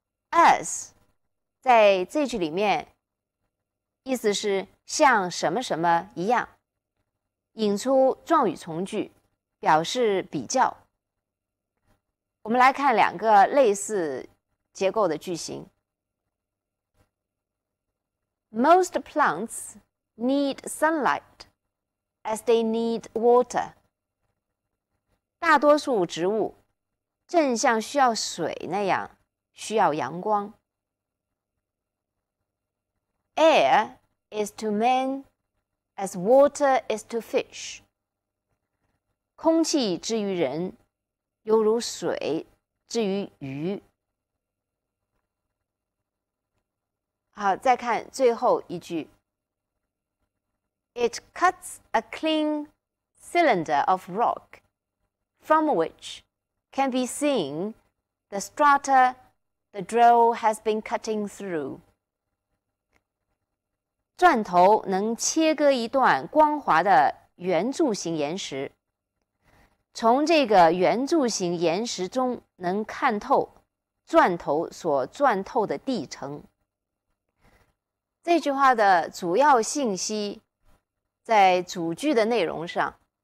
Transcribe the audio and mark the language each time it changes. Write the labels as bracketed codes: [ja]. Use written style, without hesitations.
[zh] As, 在这句里面意思是像什么什么一样，引出状语从句表示比较。我们来看两个类似结构的句型。 [en] Most plants need sunlight as they need water. [zh] 大多数植物正像需要水那样需要阳光。 [en] Air is to man as water is to fish. [zh] 空气之于人，犹如水之于鱼。好，再看最后一句。 [en] It cuts a clean cylinder of rock. From which can be seen the strata the drill has been cutting through. [zh] 钻头能切割一段光滑的圆柱形岩石，从这个圆柱形岩石中能看透钻头所钻透的地层。这句话的主要信息在主句的内容上。